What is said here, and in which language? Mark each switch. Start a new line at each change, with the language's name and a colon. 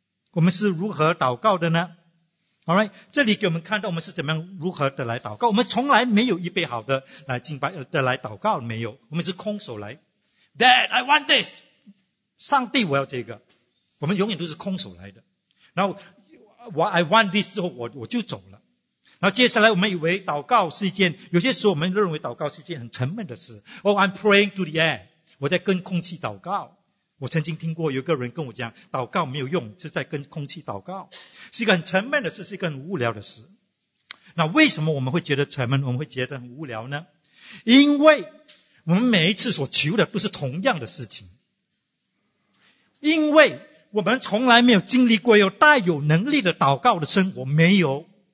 Chinese: 我们是如何祷告的呢？Alright, 这里给我们看到我们是怎么样如何的来祷告。我们从来没有预备好的来敬拜的来祷告，没有，我们是空手来。
English: Dad, I want this.
Chinese: 上帝，我要这个。我们永远都是空手来的，然后
English: I want this
Chinese: 之后我就走了。然后接下来我们以为祷告是一件，有些时候我们认为祷告是一件很沉闷的事。
English: Oh, I'm praying to the air,
Chinese: 我在跟空气祷告。我曾经听过有个人跟我讲，祷告没有用，是在跟空气祷告，是一个很沉闷的事，是一个很无聊的事。那为什么我们会觉得沉闷，我们会觉得很无聊呢？因为我们每一次所求的都是同样的事情，因为我们从来没有经历过有带有能力的祷告的生活，没有。